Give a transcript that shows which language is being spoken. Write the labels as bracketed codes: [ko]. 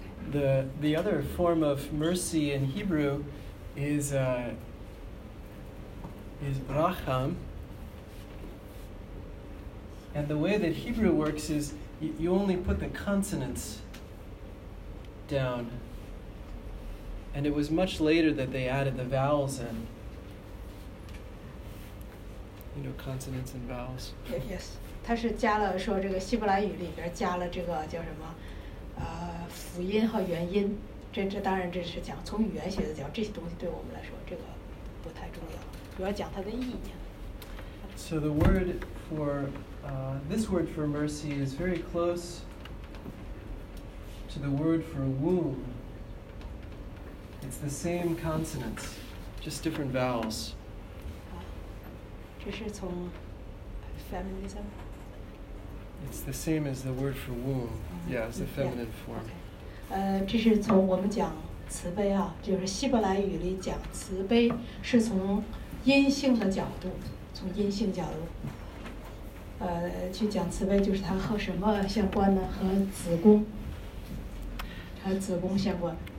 [en] The other form of mercy in Hebrew is racham. And the way that Hebrew works is you only put the consonants down. And it was much later that they added the vowels in. You know, consonants and vowels. Yes. [zh] 他是加了说这个希伯来语里边加了这个叫什么？辅音和元音，这当然这是讲从语言学的讲，这些东西对我们来说这个不太重要，主要讲它的意义。 [en] So the word for this word for mercy is very close to the word for womb. It's the same consonants, just different vowels. [zh] 这是从 feminism. [en] It's the same as the word for womb. Yeah, it's the feminine form. [zh] 这是从我们讲慈悲啊，就是希伯来语里讲慈悲是从阴性的角度。从阴性角度去讲慈悲，就是它和什么相关呢？和子宫，和子宫相关。